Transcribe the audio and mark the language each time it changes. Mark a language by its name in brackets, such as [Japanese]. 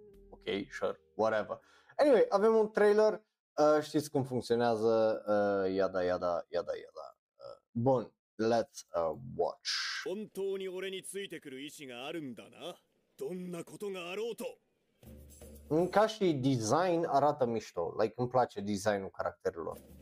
[English] okay, sure, whatever. Anyway, [Romanian] avem un trailer, știți cum funcționează, yada. [English] Bun, let's watch. [Japanese] 本当に俺についてくる意思があるんだな。どんなことがあろうと。 [Romanian] Ca și design arată mișto, like îmi place designul caracterilor.